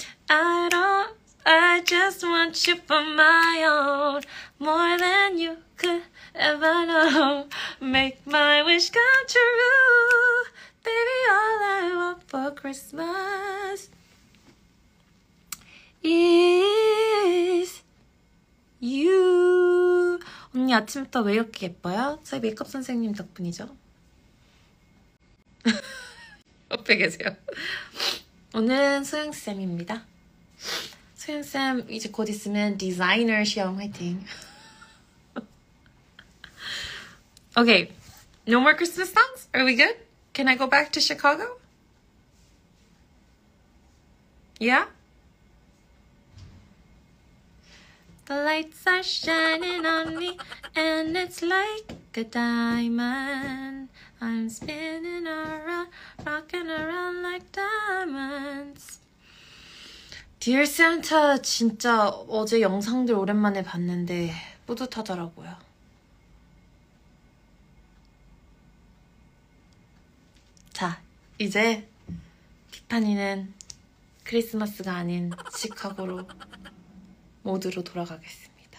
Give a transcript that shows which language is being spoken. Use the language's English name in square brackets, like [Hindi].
[English] I just want you for my own, more than you could ever know. Make my wish come true, baby. All I want for Christmas is you. [Korean] 언니 아침부터 왜 이렇게 예뻐요? 저희 메이크업 선생님 덕분이죠. 옆에 계세요. 오늘은 소영쌤입니다. 소영쌤 이제 곧 있으면 디자이너 시험 화이팅. [English] 오케이. Okay. No more Christmas songs? Are we good? Can I go back to Chicago? Yeah? The lights are shining on me, and it's like a diamond. I'm spinning around, rocking around like diamonds. Dear Santa, [Korean] 진짜 어제 영상들 오랜만에 봤는데 뿌듯하더라고요. 자, 이제 티파니는 크리스마스가 아닌 시카고로 모두로 돌아가겠습니다.